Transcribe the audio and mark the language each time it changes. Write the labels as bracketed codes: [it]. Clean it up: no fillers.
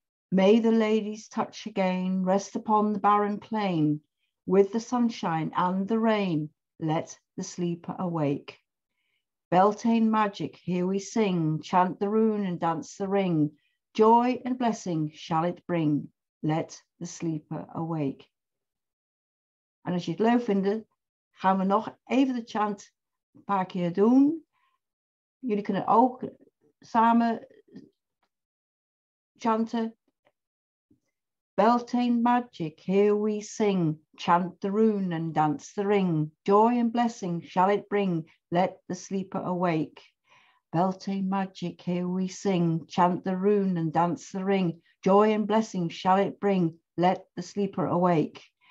[en] May the ladies touch again, rest upon the barren plain. With the sunshine and the rain, let the sleeper awake. Beltane magic, here we sing, chant the rune and dance the ring. Joy and blessing shall it bring, let the sleeper awake. [nl] En als je het leuk vindt, gaan we nog even de chant een paar keer doen. Jullie kunnen ook samen chanten. [en] Beltane magic, here we sing, chant the rune and dance the ring. Joy and blessing shall it bring, let the sleeper awake. Beltane magic, here we sing, chant the rune and dance the ring. Joy and blessing shall it bring, let the sleeper awake.